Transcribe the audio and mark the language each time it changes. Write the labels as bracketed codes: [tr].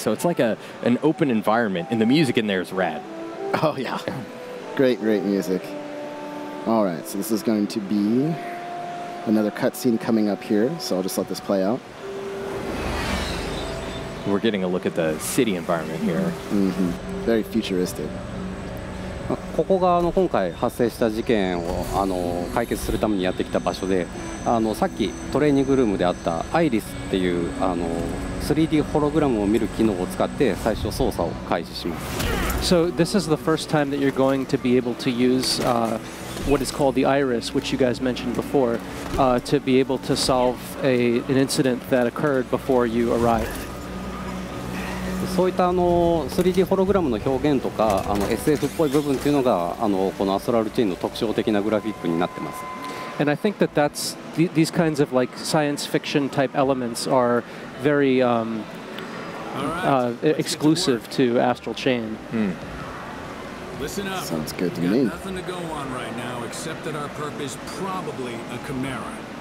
[en] So it's like an open environment, and the music in there is rad. Oh, yeah. Great, great music. All right, so this is going to be another cutscene coming up here, so I'll just let this play out. We're getting a look at the city environment here. Mm-hmm. Very futuristic. [ja] ここが今回発生した事件を解決するためにやってきた場所で、さっきトレーニングルームであったアイリスっていう 3D ホログラムを見る機能を使って最初操作を開始します。 [en] So this is the first time that you're going to be able to use what is called the Iris, which you guys mentioned before, to be able to solve an incident that occurred before you arrived. [ja] そういったあの 3D ホログラムの表現とかあの SF っぽい部分っていうのがあのこのアストラルチェーンの特徴的なグラフィックになってます。 [en] And I think that that's these kinds of like science fiction type elements are very exclusive to Astral Chain. Listen up. Sounds good to me. Nothing to go on right now except that our purpose probably a chimera.